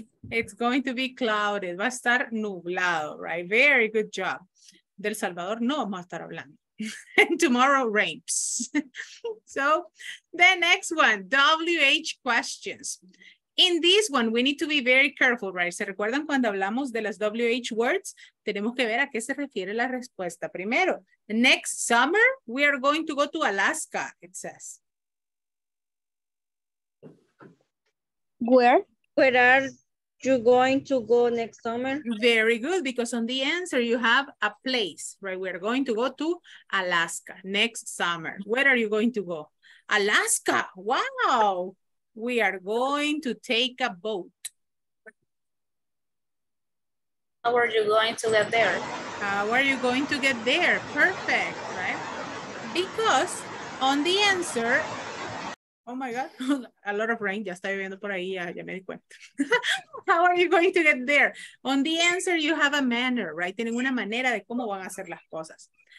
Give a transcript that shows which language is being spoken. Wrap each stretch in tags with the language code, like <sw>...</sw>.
<en>It's going to be cloudy.</en> <es>Va a estar nublado,</es> <en>right? Very good job.</en> <es>Del Salvador, no vamos a estar hablando.</es> <en>And tomorrow rains. So the next one, WH questions. In this one, we need to be very careful, right?</en> <es>¿Se recuerdan cuando hablamos de las WH words? Tenemos que ver a qué se refiere la respuesta primero.</es> <en>Next summer, we are going to go to Alaska, it says. Where are you going to go next summer? Very good, because on the answer, you have a place, right? We are going to go to Alaska next summer. Where are you going to go? Alaska, wow! We are going to take a boat. How are you going to get there? How are you going to get there? Perfect, right? Because on the answer, oh my God, a lot of rain.</en> <es>Ya está lloviendo por ahí, ya me di cuenta.</es> <en>How are you going to get there? On the answer, you have a manner, right?</en> <es>Tienen una manera de cómo van a hacer las cosas.</es>